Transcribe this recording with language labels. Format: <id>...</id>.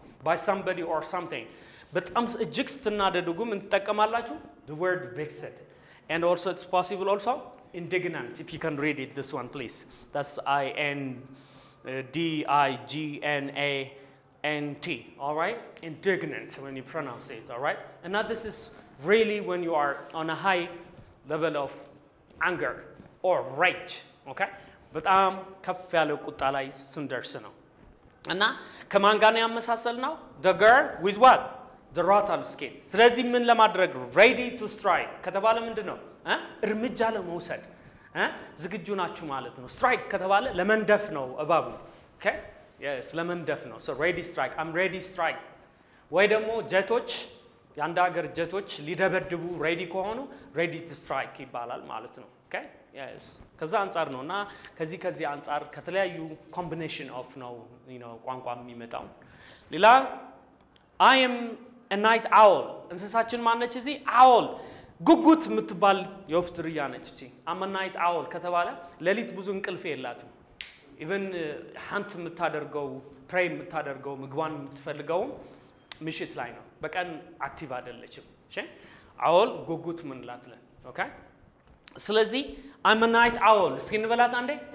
<en>by somebody or something</en> <am>በጣም እጅግ ስትናደዱ ምን ትጠቀማላችሁ</am> <en>the word vexed and also it's possible also indignant if you can read it this one please that's indignant all right indignant when you pronounce it all right and now this is really when you are on a high level of anger or rage okay</en> <am>በጣም ከፍ ያለ ቁጣ ላይ ስንደርስ ነው እና ከማን ጋር ነው ያመሳሰልነው?</am> <en>The girl with what? The rattle skin.</en> <am>ስለዚህ ምን ለማድረግ</am> <en>ready to strike</en> <am>ከተባለ ምንድነው? እርምጃ ለመውሰድ ዝግጁ ናችሁ ማለት ነው። strike ከተባለ ለመንደፍ ነው እባቡ። Okay?</am> <en>Yes,</en> <am>ለመንደፍ ነው.</am> <en>So ready strike. I'm ready strike.</en> <am>ወይ ደግሞ ጀቶች ያንድ ሀገር ጀቶች ሊደበድቡ ready ከሆኑ</am> <en>ready to strike</en> <am>ይባላል ማለት ነው። Okay? Yes. ከዛ አንጻር ነው እና ከዚህ አንጻር ከተለያዩ combination of ነው you know ቋንቋም የሚመጣው። ሌላ</am> <en>I am a night owl.</en> <am>እንስሳችን ማነች እዚህ? Owl. ጉጉት የምትባል የወፍ ዝርያ ነች እቺ።</am> <en>I'm a night owl</en> <am>ከተባለ ሌሊት ብዙ እንቅልፍ የላትም። ኢቨን ሃንት የምታደርገው ፕሬይ የምታደርገው ምግቧን የምትፈልገው ምሽት ላይ ነው። በቀን አክቲቭ አይደለችም። እሺ? አውል ጉጉት ምን ላትለን? ኦኬ? ስለዚህ</am> <en>I'm a night owl</en> <am>እስኪ እንበላት አንዴ?</am>